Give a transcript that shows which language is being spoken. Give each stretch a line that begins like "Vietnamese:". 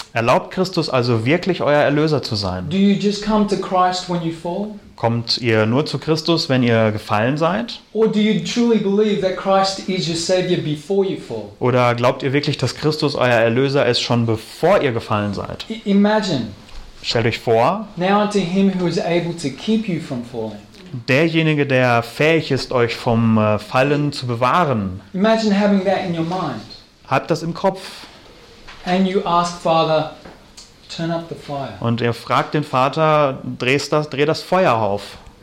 German: Erlaubt Christus also wirklich euer Erlöser zu sein?
English: Do you just come to Christ when you fall?
German: Kommt ihr nur zu Christus, wenn ihr gefallen seid?
English: Or do you truly believe that Christ is your savior before you fall?
German: Oder glaubt ihr wirklich, dass Christus euer Erlöser ist schon bevor ihr gefallen seid?
English: Imagine.
German: Stellt euch vor.
English: Now unto him who is able to keep you from falling.
German: Derjenige, der fähig ist, euch vom Fallen zu bewahren.
English: Imagine having that in your mind.
German: Habt das im Kopf.
English: And you ask Father, turn up the fire.
German: Und ihr fragt den Vater, dreh das Feuer auf.